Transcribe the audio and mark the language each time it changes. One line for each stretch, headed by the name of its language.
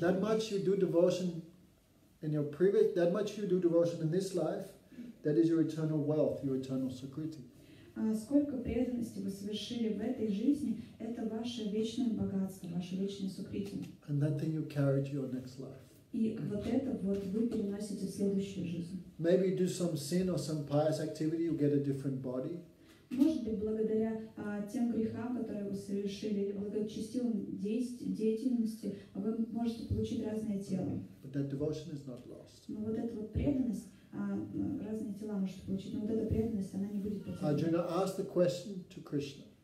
English: That much you do devotion in your previous. That much you do devotion in this life. That is your eternal wealth, your eternal sukriti.
Russian: Сколько преданности вы совершили в этой жизни, это ваше вечное богатство, ваше вечное сукрити.
English: And that thing you carry to your next life.
Russian: И вот это вот вы переносите в следующую жизнь.
English: Maybe you do some sin or some pious activity, you get a different body.
Russian: Может быть, благодаря тем грехам, которые вы совершили, благочестивым деятельности, вы можете получить разное тело.
English: But that devotion is not lost.
Russian: Но вот эта вот преданность, разные тела можете получить, но вот эта преданность, она не будет потеряна.
English: Arjuna asked the question to Krishna.